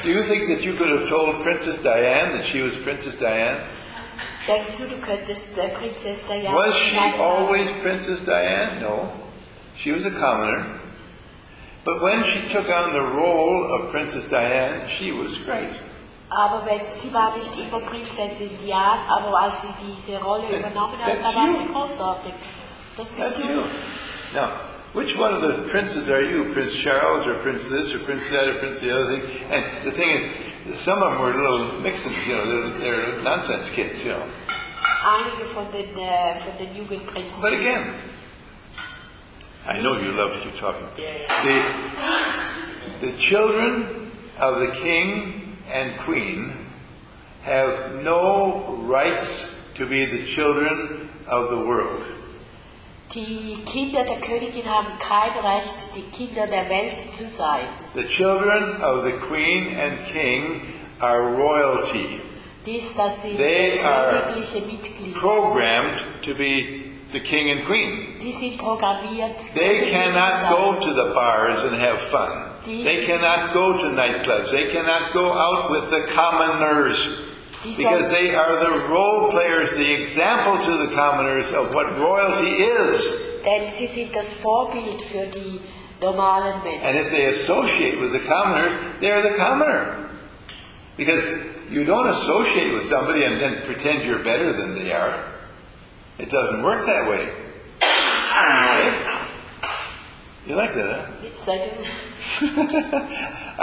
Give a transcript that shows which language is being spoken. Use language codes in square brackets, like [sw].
[en] Do you think that you could have told Princess Diane that she was Princess Diane? Was she always Princess Diane? No. She was a commoner. But when she took on the role of Princess Diane, she was great. [de] Aber wenn sie war nicht immer Prinzessin Diane, aber als sie diese Rolle übernommen hat, dann war sie großartig. Das bist du. [en] Now, which one of the princes are you? Prince Charles or Prince this or Prince that or Prince the other thing? And the thing is, some of them were little mixins, you know, they're nonsense kids, you know. [de] Einige von den Jugendprinzen. [en] But again, I know you love what you're talking. Yeah, yeah. The children of the king and queen have no rights to be the children of the world. [de] Die Kinder der Königin haben kein Recht, die Kinder der Welt zu sein. [en] The children of the queen and king are royalty. [de] Dies, dass sie [en] they are [de] königliche Mitglieder. [en] Programmed to be the king and queen. [de] Die sind programmiert, [en] they cannot go to the bars and have fun. They cannot go to nightclubs. They cannot go out with the commoners. Because they are the role players, the example to the commoners of what royalty is. [de] Denn sie sind das Vorbild für die normalen Menschen. [en] And if they associate with the commoners, they are the commoner. Because you don't associate with somebody and then pretend you're better than they are. It doesn't work that way. You like that, huh? Yes, I do.